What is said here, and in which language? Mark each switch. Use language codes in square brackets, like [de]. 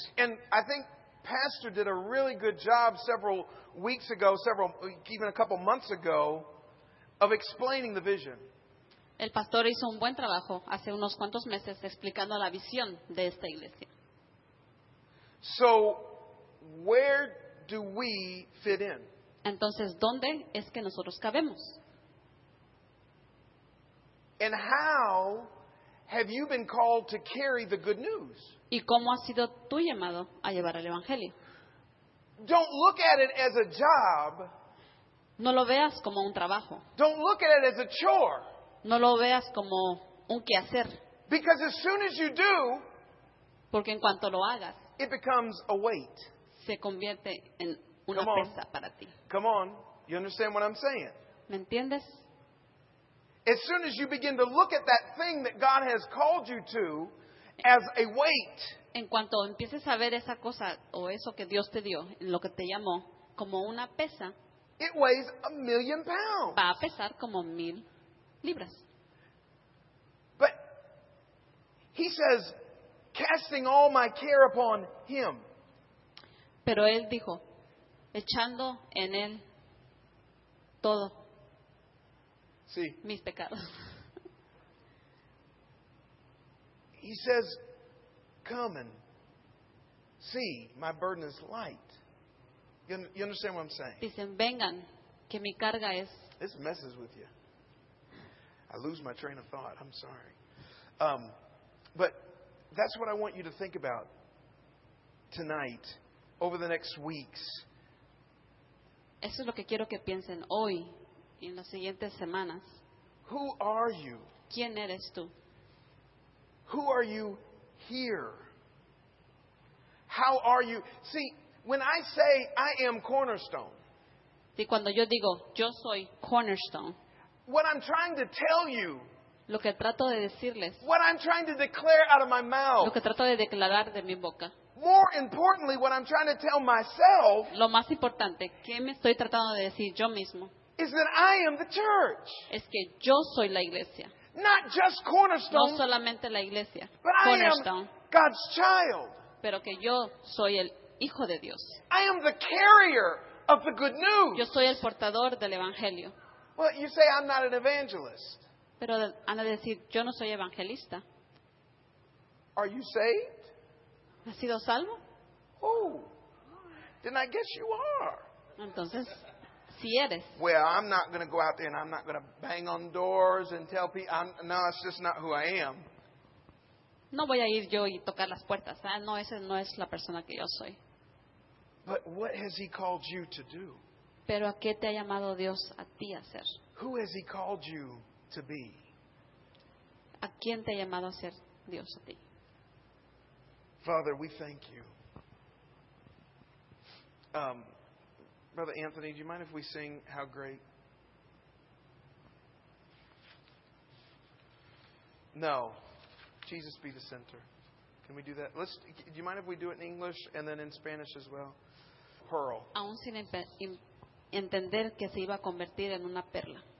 [en] And I think Pastor did a really good job several weeks ago, even a couple months ago, of explaining the vision. [es] El pastor hizo un buen trabajo hace unos cuantos meses explicando la visión de esta iglesia. [en] So, where do we fit in? [es] Entonces, ¿dónde es que nosotros cabemos? [en] And how have you been called to carry the good news? [es] ¿Y cómo has sido tú llamado a llevar el evangelio? [en] Don't look at it as a job. [es] No lo veas como un trabajo. [en] Don't look at it as a chore. [es] No lo veas como un quehacer. [en] Because as soon as you do, [es] porque en cuanto lo hagas, [en] it becomes a weight. [es] Se convierte en una pesa para ti. [en] Come on, you understand what I'm saying? [es] ¿Me entiendes? [en] As soon as you begin to look at that thing that God has called you to as a weight. [es] En cuanto empieces a ver esa cosa o eso que Dios te dio, en lo que te llamó, como una pesa. [en] It weighs a million pounds. [es] Va a pesar como 1,000 libras. [en] But he says, casting all my care upon him. [es] Pero él dijo, echando en él todo. Sí. Mis pecados. [en] He says, come and see, my burden is light. You understand what I'm saying? [es] Dicen, vengan, que mi carga es... [en] This messes with you. I lose my train of thought. I'm sorry. But that's what I want you to think about. tonight, over the next weeks. [es] Eso es lo que quiero que piensen hoy y en las siguientes semanas. [en] Who are you? [es] ¿Quién eres tú? [en] Who are you here? How are you? See, when I say I am Cornerstone. [es] Sí, cuando yo digo yo soy Cornerstone. [en] What I'm trying to tell you. [es] Lo que trato de decirles. [en] What I'm trying to declare out of my mouth. [es] Lo que trato de declarar de mi boca. [en] More importantly, what I'm trying to tell myself. [es] Lo más importante, ¿qué me estoy tratando de decir yo mismo? [en] Is that I am the church. [es] Es que yo soy la iglesia. [en] Not just Cornerstone. [es] No solamente la iglesia. [en] But Cornerstone. I am God's child. [es] Pero que yo soy el hijo de Dios. [en] I am the carrier of the good news. [es] Yo soy el portador del evangelio. [en] Well, you say I'm not an evangelist. [es] Pero han de decir, yo no soy evangelista. [en] Are you saved? [es] ¿Has sido salvo? [en] Oh, then I guess you are. [es] Entonces, si eres. [en] Well, I'm not going to go out there and I'm not going to bang on doors and tell people, no, it's just not who I am. [es] No voy a ir yo y tocar las puertas. ¿Eh? No, esa no es la persona que yo soy. [en] But what has he called you to do? [es] ¿Pero a qué te ha llamado Dios a ti a hacer? [en] Who has he called you to be? [es] ¿A quién te ha llamado a ser Dios a ti? [en] Father, we thank you. Brother Anthony, do you mind if we sing How Great? No. Jesus be the center. Can we do that? Do you mind if we do it in English and then in Spanish as well? Pearl. [es] Aún sin entender que se iba a convertir en una perla.